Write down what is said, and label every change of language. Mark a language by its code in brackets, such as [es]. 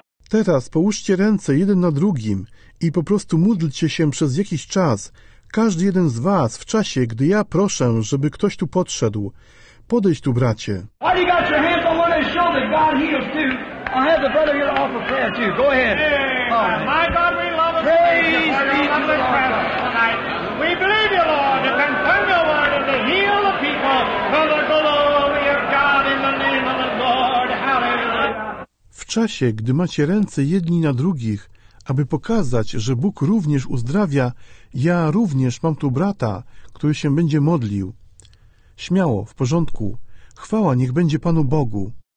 [pl] Teraz połóżcie ręce jeden na drugim i po prostu módlcie się przez jakiś czas. Każdy jeden z was w czasie, gdy ja proszę, żeby ktoś tu podszedł. Podejdź tu, bracie. [en] While you got your hands on one another, show that God heals too. I'll have the brother here to offer prayer too. Go ahead. My God, we love you. Praise be to the Lord. We believe you, Lord, to confirm your word and to heal the people for the glory of God in the name of the Lord. Hallelujah. [pl] W czasie, gdy macie ręce jedni na drugich, aby pokazać, że Bóg również uzdrawia, ja również mam tu brata, który się będzie modlił. Śmiało, w porządku. Chwała niech będzie Panu Bogu.